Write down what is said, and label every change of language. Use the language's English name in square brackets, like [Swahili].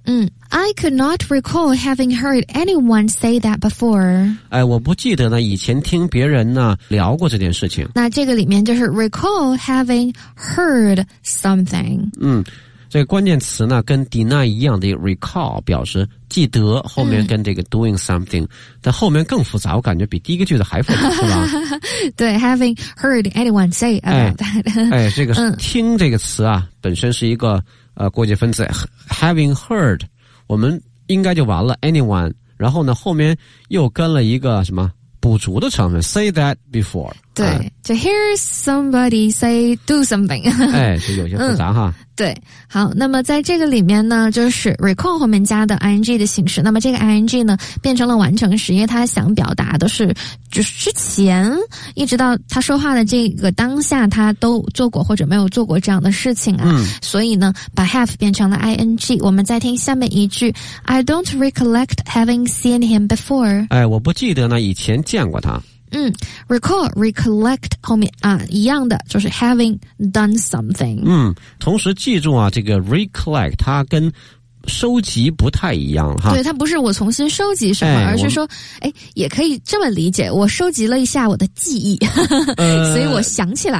[English] I could not recall having heard anyone say that before. [Chinese] 我不记得呢，以前听别人呢聊过这件事情。那这个里面就是 [English] recall having heard something. [Chinese] 这个关键词呢跟 deny 一样的 recall 表示记得后面跟这个 [English] doing something [Chinese] 但后面更复杂我感觉比第一个句子还复杂是吧对 [English] having heard anyone say about that [Chinese] 这个听这个词啊本身是一个过去分词 [English] having heard [Chinese] 我们应该就完了 anyone 然后呢后面又跟了一个什么补足的成分 [English] say that before [Chinese] 对，就 [English] hear somebody say do something。 [Chinese] 哎，就有些复杂哈。对，好，那么在这个里面呢，就是 recall 后面加的 ing 的形式，那么这个 ing 呢变成了完成时，因为他想表达的是就是之前一直到他说话的这个当下他都做过或者没有做过这样的事情啊。嗯、所以呢把 have 变成了 ing。我们再听下面一句， [English] I don't recollect having seen him before。 [Chinese] 哎，我不记得呢以前见过他。嗯 ，recall recollect 后面啊一样的，就是 [English] having done something。 [Chinese] 嗯，同时记住啊，这个 recollect 它跟收集不太一样哈。对，它不是我重新收集什么，哎、而是说，哎，也可以这么理解，我收集了一下我的记忆，所以我想起来。